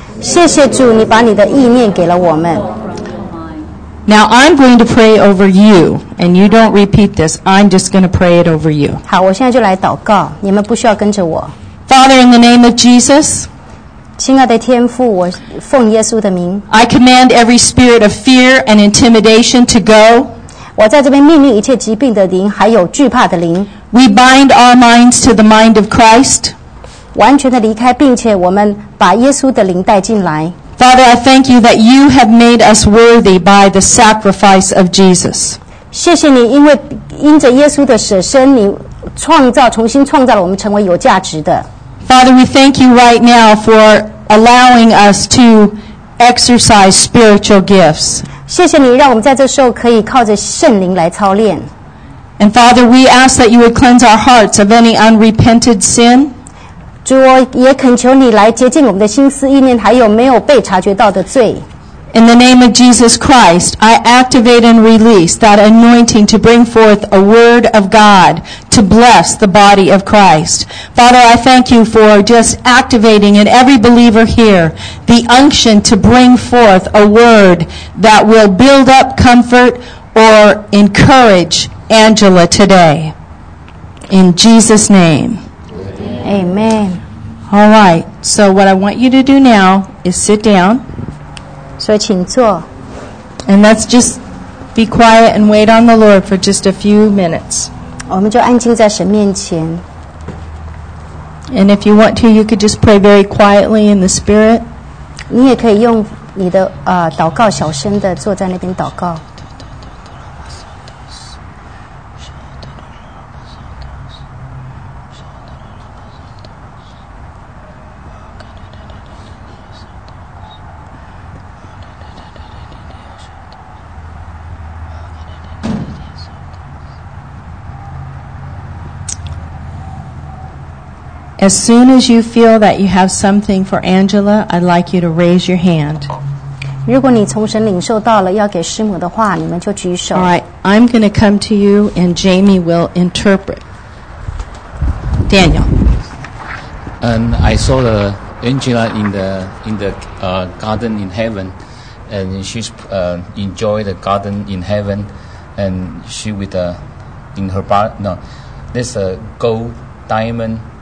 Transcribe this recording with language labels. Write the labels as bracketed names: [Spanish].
[Chinese] 谢谢主，你把你的意念给了我们。 [English] Now I'm going to pray over you, and you don't repeat this. I'm just going to pray it over you. [Chinese] 好，我现在就来祷告，你们不需要跟着我。 [English] Father, in the name of Jesus, [Chinese] 亲爱的天父，我奉耶稣的名 [English] ，I command every spirit of fear and intimidation to go. [Chinese] 我在这边命令一切疾病的灵，还有惧怕的灵。 [English] We bind our minds to the mind of Christ. [Chinese] 完全的离开，并且我们把耶稣的灵带进来。 [English] Father, I thank you that you have made us worthy by the sacrifice of Jesus. [Chinese] 谢谢你，因为因着耶稣的舍身，你创造重新创造了我们，成为有价值的。 [English] Father, we thank you right now for allowing us to exercise spiritual gifts. [Chinese] 谢谢你，让我们在这时候可以靠着圣灵来操练。 [English] And Father, we ask that you would cleanse our hearts of any unrepented sin. [Chinese] 主，我也恳求你来洁净我们的心思意念，还有没有被察觉到的罪。 [English] In the name of Jesus Christ, I activate and release that anointing to bring forth a word of God to bless the body of Christ. Father, I thank you for just activating in every believer here the unction to bring forth a word that will build up, comfort, or encourage Angela today. In Jesus' name. Amen. All right. So what I want you to do now is sit down. [Chinese] 所以请坐。 [English] And let's just be quiet and wait on the Lord for just a few minutes. [Chinese] 我们就安静在神面前。 [English] And if you want to, you could just pray very quietly in the Spirit. [Chinese] 你也可以用你的祷告小声地坐在那边祷告。 [English] As soon as you feel that you have something for Angela, I'd like you to raise your hand. [Chinese] 如果你从神领受到了要给师母的话，你们就举手。 [English] All right, I'm going to come to you, and Jamie will interpret. Daniel. And I saw the Angela in the garden in heaven, and she's enjoy the garden in heaven, and she with a gold diamond.